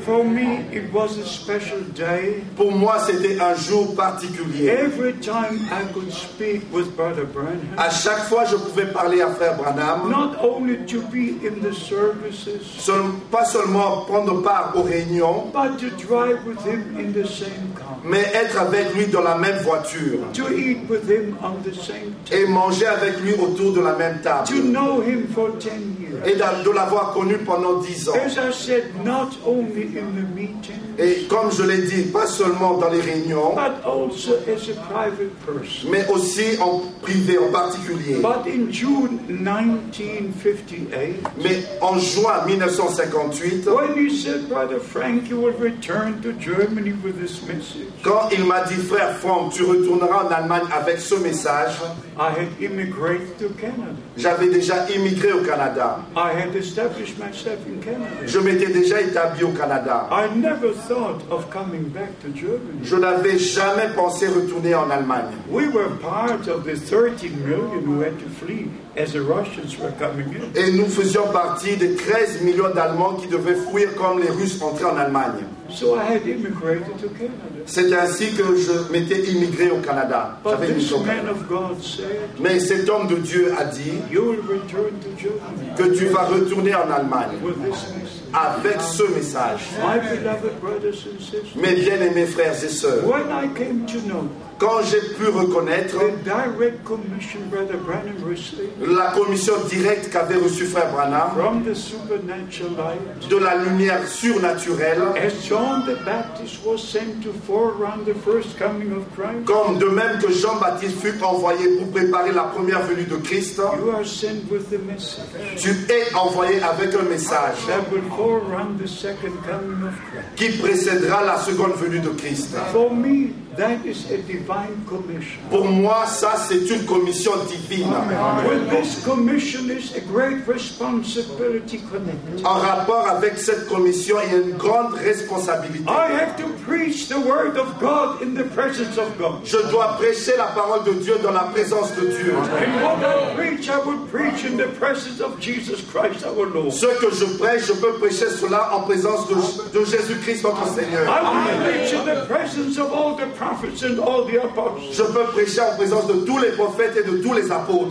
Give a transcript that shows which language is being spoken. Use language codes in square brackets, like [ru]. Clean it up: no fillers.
[en] For me, it was a special day. [fr] Pour moi, c'était un jour particulier. [en] Every time I could speak with Brother Branham, [fr] à chaque fois, je pouvais parler à Frère Branham. [en] Not only to be in the services, [fr] pas seulement prendre part aux réunions, [en] but to drive with him in the same car. [fr] Mais être avec lui dans la même voiture, [en] to eat with him on the same table, [fr] et manger avec lui autour de la même table, [en] to know him for 10 years, [fr] et de l'avoir connu pendant 10 ans. [en] As I said, not only in the meetings, [fr] et comme je l'ai dit, pas seulement dans les réunions, [en] but also as a private person, [fr] mais aussi en privé, en particulier. [en] But in June 1958, [fr] mais en juin 1958, [en] when he said, Brother Frank, you will return to Germany with this message, [fr] quand il m'a dit, frère Franck, tu retourneras en Allemagne avec ce message. [en] I had immigrated to Canada. [fr] J'avais déjà immigré au Canada. [en] I had established myself in Canada. [fr] Je m'étais déjà établi au Canada. [en] I never thought of coming back to Germany. [fr] Je n'avais jamais pensé retourner en Allemagne. [en] We were part of the 30 million who had to flee as the Russians were coming in. [fr] Et nous faisions partie des 13 millions d'Allemands qui devaient fuir comme les Russes entraient en Allemagne. [en] So I had immigrated to Canada. [fr] C'est ainsi que je m'étais immigré au Canada. [en] But this man of God said, [fr] mais cet homme de Dieu a dit, [en] you will return to Germany, [fr] que tu vas retourner en Allemagne [en] with this message, [fr] avec ce message. [en] My beloved brothers and sisters, [fr] mes bien-aimés frères et sœurs, [en] when I came to know, [fr] quand j'ai pu reconnaître [en] the direct commission Brother Branham received, [fr] la commission directe qu'avait reçue Frère Branham [en] from the supernatural light, [fr] de la lumière surnaturelle, [en] as John the Baptist was sent to forerun the first coming of Christ, [fr] comme de même que Jean-Baptiste fut envoyé pour préparer la première venue de Christ, [en] you are sent with the message, [fr] tu es envoyé avec un message [en] that will forerun the second coming of Christ, [fr] qui précédera la seconde venue de Christ. [en] For me, that is a divine commission. [fr] Pour moi, ça, c'est une commission divine. [en] Well, this commission is a great responsibility connected. [fr] En rapport avec cette commission, il y a une grande responsabilité. [en] I have to preach the word of God in the presence of God. [fr] Je dois prêcher la parole de Dieu dans la présence de Dieu. [en] And what I will preach in the presence of Jesus Christ, our Lord. [fr] Ce que je prêche, je peux prêcher cela en présence de Jésus-Christ, notre Seigneur. [en] I will preach in the presence of all the prophets and all the apostles. [fr] Je peux prêcher en présence de tous les prophètes et de tous les apôtres.